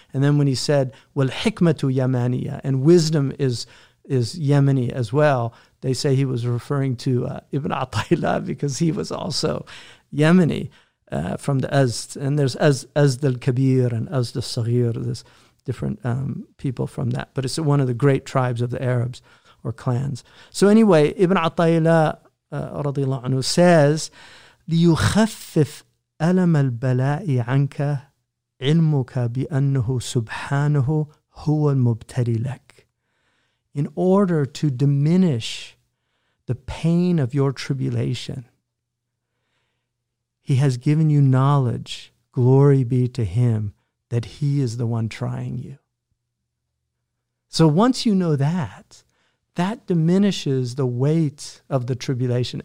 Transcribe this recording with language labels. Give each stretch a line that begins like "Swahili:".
English: And then when he said wal-hikmatu Yamaniya, and wisdom is Yemeni as well, they say he was referring to Ibn Ataylah because he was also Yemeni from the Azd. And there's Azd al-Kabir and Azd al-Saghir. There's different people from that. But it's one of the great tribes of the Arabs or clans. So anyway, Ibn Ataylah radiallahu anhu says,
Arabic: لِيُخَفِّفْ أَلَمَ الْبَلَاءِ عَنْكَ عِلْمُكَ بِأَنَّهُ سُبْحَانَهُ هُوَ الْمُبْتَلِي لَكَ.
English: In order to diminish the pain of your tribulation, he has given you knowledge, glory be to him, that he is the one trying you. So once you know that, that diminishes the weight of the tribulation.